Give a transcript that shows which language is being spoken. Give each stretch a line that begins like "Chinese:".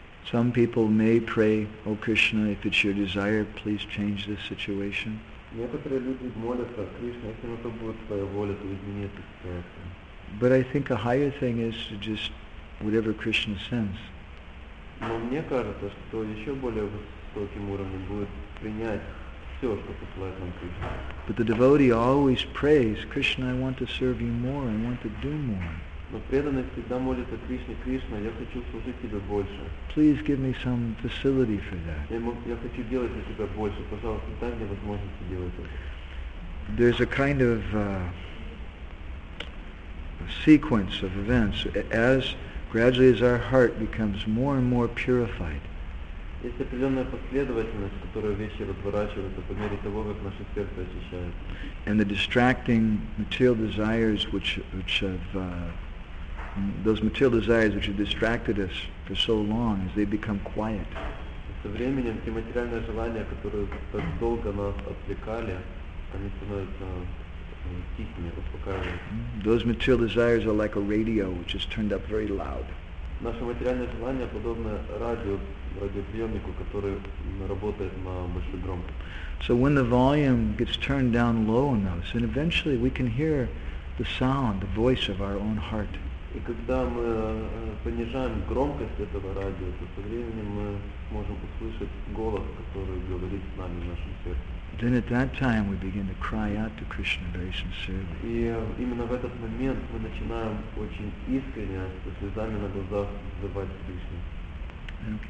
English: Some people may pray, O Krishna, if it's your desire, please change this situation.
Russian: Некоторые люди молятся, Кришна, если это будет твоя воля, то измени эту ситуацию.
English: But I think a higher thing is to just whatever Krishna sends.
Russian: Но мне кажется, что еще более высоким уровнем будет принять все, что посылает нам Кришна.
English: But the devotee always prays, Krishna, I want to serve you more, I want to do more.
Russian: Но преданный всегда молится Кришне, Кришна, я хочу служить тебе больше.
English: Please give me some facility for that.
Russian: Я хочу делать для тебя больше, пожалуйста, дай мне возможность делать это.
English: There's a kind of a sequence of events. As gradually as our heart becomes more and more purified.
Russian: Есть определенная последовательность, которая вещи разворачивается по мере того, как наше сердце очищается.
English: And the distracting material desires which have those material desires which have distracted us for so long as they become quiet.
Russian: Со временем те материальные желания, которые так долго нас отвлекали, они становятся тихими, успокаивающими.
English: Those material desires are like a radio which is turned up very loud.
Russian: Наши материальные желания подобны радиоприемнику, который работает на большой громкости.
English: So when the volume gets turned down low enough, then eventually we can hear the sound, the voice of our own heart.
Russian: И когда мы понижаем громкость этого радио, то со временем мы можем услышать голос, который говорит с нами в нашем сердце.
English: Then at that time we begin to cry out to Krishna very sincerely.
Russian: И именно в этот момент мы начинаем очень искренне, со слезами на глазах, взывать к Кришне.